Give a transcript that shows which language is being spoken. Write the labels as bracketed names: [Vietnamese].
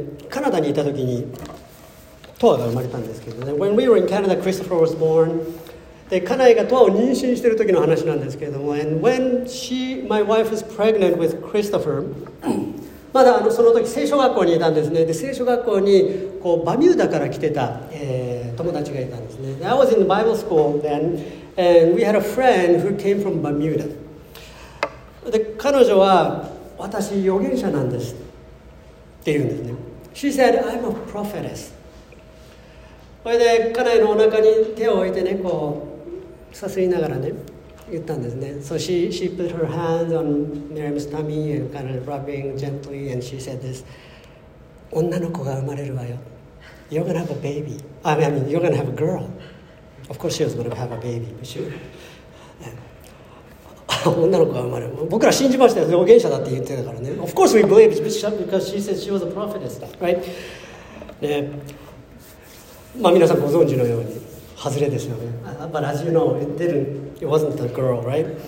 [Japanese] カナダにいた時にトアが生まれたんですけどね。 [English] When we were in Canada, Christopher was born. [Japanese] で、カナエがトアを妊娠している時の話なんですけれども、 [English] And when she, my wife is pregnant with Christopher, [Japanese] まだその時聖書学校にいたんですね。で、聖書学校にこうバミューダから来てた、友達がいたんですね。 [English] I was in the Bible school then, and we had a friend who came from Bermuda. [Japanese] で、彼女は私預言者なんですって言うんですね。 [English] She said, I'm a prophetess. [Japanese] それで家内のお腹に手を置いてね、こうさすりながらね言ったんですね。 [English] So she put her hands on Miriam's tummy and kind of rubbing gently, and she said this: [Japanese] 女の子が生まれるわよ。 [English] You're gonna have a baby. I mean, you're gonna have a girl. Of course she was gonna have a baby, but she [Japanese] 女の子が生まれる。僕ら信じましたよ、預言者だって言ってたからね。 [English] Of course we believed, because she said she was a prophetess, right? [Japanese] ね、まあ皆さんご存知のようにハズレですよね。 [English] But as you know, it didn't. It wasn't a girl, right?